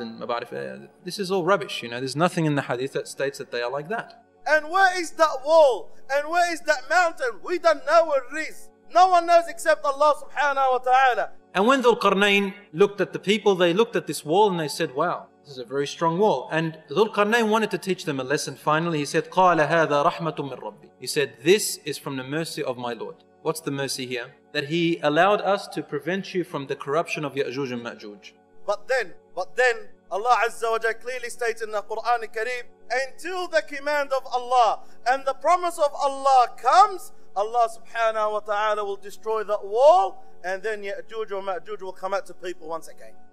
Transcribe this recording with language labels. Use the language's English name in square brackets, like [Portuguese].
[English] And this is all rubbish, you know. There's nothing in the hadith that states that they are like that. And where is that wall? And where is that mountain? We don't know where it is. No one knows except Allah subhanahu wa ta'ala. And when Dhul-Qarnayn looked at the people, they looked at this wall and they said, wow, this is a very strong wall. And Dhul-Qarnayn wanted to teach them a lesson. Finally, he said, [Arabic] قَالَ هَذَا رَحْمَةٌ مِنْ رَبِّي. [English] He said, this is from the mercy of my Lord. What's the mercy here? That he allowed us to prevent you from the corruption of Ya'juj and Ma'juj. But then, Allah Azza wa Jalla clearly states in the Quran al-Kareem, until the command of Allah and the promise of Allah comes, Allah subhanahu wa ta'ala will destroy that wall, and then Ya'juj and Ma'juj will come out to people once again.